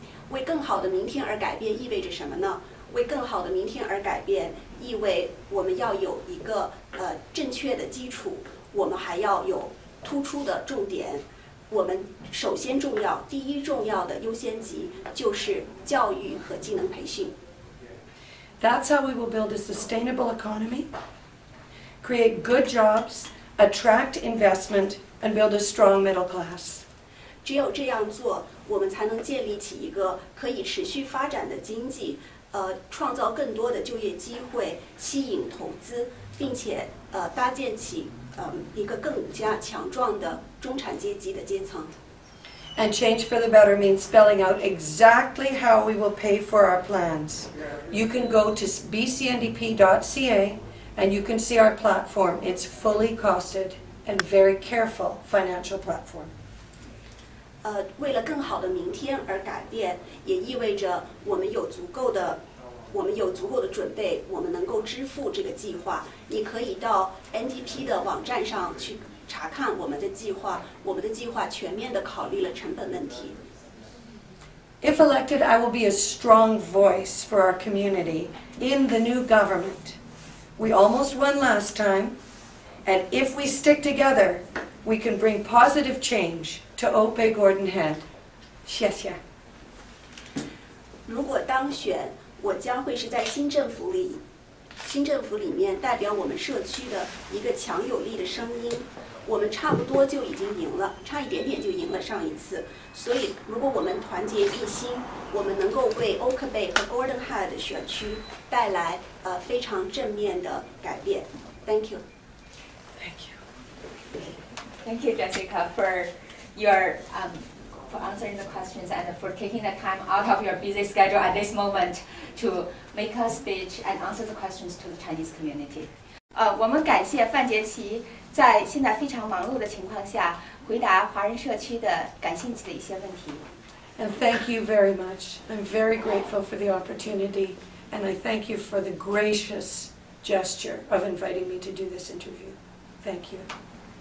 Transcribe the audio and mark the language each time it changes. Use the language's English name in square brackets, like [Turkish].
[Chinese] 为更好的明天而改变意味着什么呢为更好的明天而改变意味我们要有一个正确的基础我们还要有突出的重点我们首先重要第一重要的优先级就是教育和技能培训 [English] That's how we will build a sustainable economy, create good jobs, attract investment, and build a strong middle class. [Chinese] 只有这样做我们才能建立起一个可以持续发展的经济创造更多的就业机会吸引投资并且搭建起一个更加强壮的中产阶级的阶层。 [English] And change for the better means spelling out exactly how we will pay for our plans. You can go to bcndp.ca and you can see our platform. It's fully costed and very careful financial platform. [Chinese] 为了更好的明天而改变，也意味着我们有足够的。我们有足够的准备，我们能够支付这个计划。你可以到 NDP 的网站上去查看我们的计划。我们的计划全面地考虑了成本问题。 [English] If elected, I will be a strong voice for our community in the new government. We almost won last time, and if we stick together, we can bring positive change to Ope Gordon Head. [Chinese] 谢谢。如果当选。我将会是在新政府里面代表我们社区的一个强有力的声音。我们差不多就已经赢了，差一点点就赢了上一次。所以，如果我们团结一心，我们能够为 Oak Bay 和 Gordon Head 选区带来非常正面的改变。 [English] Thank you. Thank you. Thank you, Jessica, for your for answering the questions and for taking the time out of your busy schedule at this moment to make a speech and answer the questions to the Chinese community. [Chinese] 我们感谢范杰奇在现在非常忙碌的情况下回答华人社区的感兴趣的一些问题。 [English] And thank you very much. I'm very grateful for the opportunity and I thank you for the gracious gesture of inviting me to do this interview. Thank you.